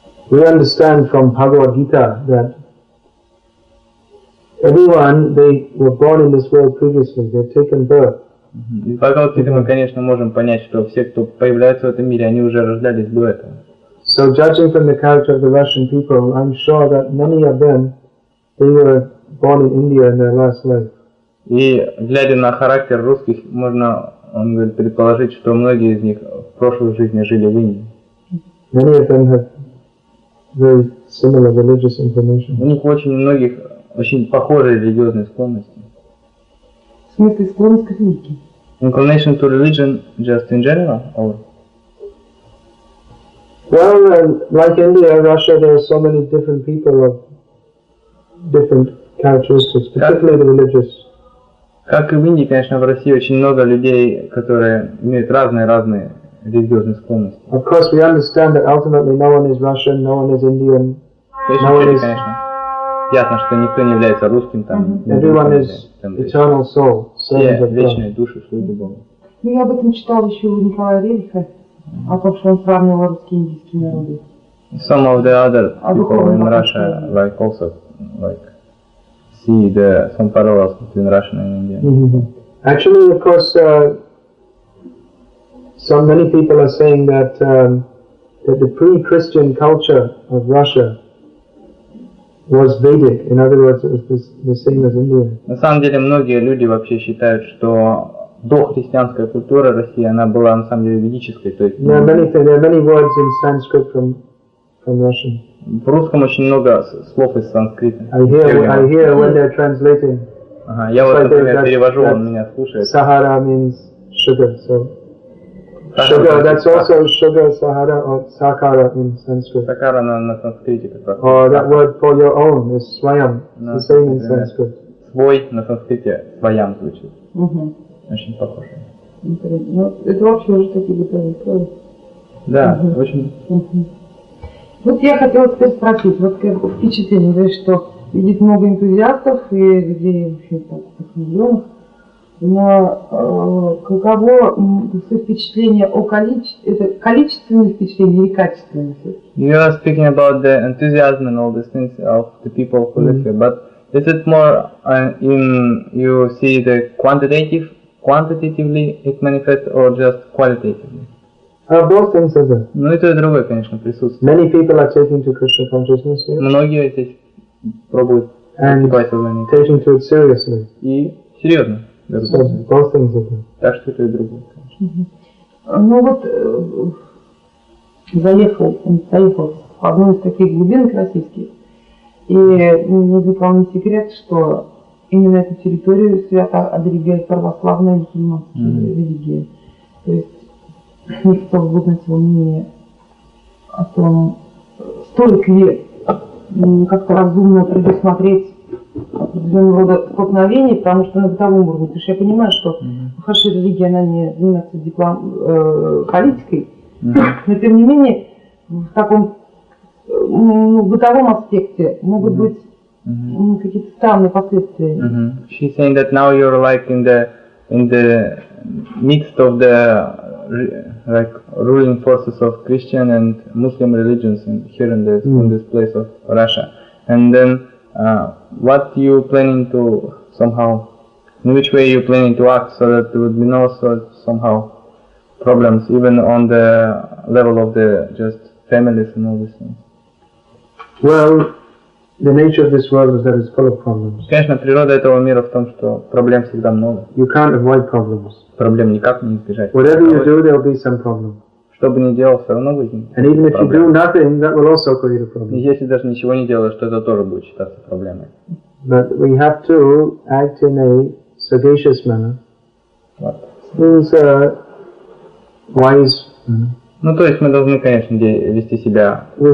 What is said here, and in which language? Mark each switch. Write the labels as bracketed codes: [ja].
[en] We understand from Bhagavad Gita that everyone, they were born in this world previously, they've taken birth. [ru] Из Бхагавад Гиты мы, конечно, можем понять, что все, кто появляется в этом мире, они уже рождались до этого. [en] So judging from the character of the Russian people, I'm sure that many of them, they were born in India in their last life. [ru] И глядя на характер русских, можно, он говорит, предположить, что многие из них в прошлой жизни жили в Индии. [en] Many of them have very similar religious inclination. [ru] У них очень многих очень похожие религиозные склонности. В смысле склонность к религии? [en] Inclination to religion just in general, or? Well, like India, Russia, there are so many different people of different characteristics, particularly the religious. [ru] Как и в Индии, конечно, в России очень много людей, которые имеют разные религиозные склонности. [en] Of course, we understand that ultimately no one is Russian, no one is Indian. [ru] Точно, [en] no one [ru] конечно. Ясно, что никто не является русским там. [en] Everyone is eternal soul, servant of God. [ru] Вечные души, слуги Бога. Ну, я об этом читал еще у Николая Рериха, о том, что он сравнивал русские и индийские народы. [en] Some of the other people in Russia like also like see the some parallels between Russian and Indian. Mm-hmm. Actually, of course, so many people are saying that that the pre-Christian culture of Russia was Vedic. In other words, it was the same as India. [ru] На самом деле, многие люди вообще считают, что дохристианская культура России, она была на самом деле ведической. То есть. [en] There are many words in Sanskrit from [ru] В русском очень много слов из санскрита. [en] I hear when they're translating. [ru] Ага, я вот это перевожу, он меня слушает. [en] Sahara means sugar, so sugar. That's also sugar, sahara or sakara in Sanskrit. [ru] Сакара на санскрите как раз. [en] Or that word for your own is swayam. It's the same in Sanskrit. [ru] Свой на санскрите свайам звучит. Очень похоже. Это вообще уже такие бытовые. Да, очень. Вот я хотела теперь спросить, вот как впечатление, то есть что видит много энтузиастов и людей вообще так миллионов, но каково впечатление о количественное впечатление или качественное? [en] You are speaking about the enthusiasm and all these things of the people who live here, but is it more in you see the quantitatively it manifests or just qualitatively? Both things are there. [ru] Ну и то и другое, конечно, присутствует. [en] Many people are taking to Krishna consciousness. [ru] Многие здесь пробуют. [en] And taking to it seriously. [ru] И серьезно. [en] So both things are there. [ru] Так что и то и другое, конечно. Mm-hmm. Ну вот заехал в одну из таких глубинок российских. И не выполнен секрет, что именно эту территорию свято оберегает православная мусульманская религия. То есть никто в глубинке во мне о том, стоит ли как-то разумно предусмотреть определенного рода столкновения, потому что на бытовом уровне. Потому что я понимаю, что хорошая религия, она не занимается политикой, но тем не менее в таком бытовом аспекте могут быть какие-то странные последствия. [en] She's saying that now you're like in the midst of the like ruling forces of Christian and Muslim religions in here in this in this place of Russia, and then what you planning to somehow, in which way you planning to act so that there would be no sort somehow problems even on the level of the just families and all these things. Well, the nature of this world is that it's full of problems. [ru] Конечно, природа этого мира в том, что проблем всегда много. [en] You can't avoid problems. [ru] Проблем никак не избежать. [en] Whatever you do, there will be some problem. [ru] Что бы ни делал, все равно будет. [en] And even if you do nothing, that will also create a problem. [ru] И если даже ничего не делаешь, то это тоже будет считаться проблемой. [en] But we have to act in a sagacious manner. What? Means a wise manner. [ru] Ну то есть мы должны, конечно, вести себя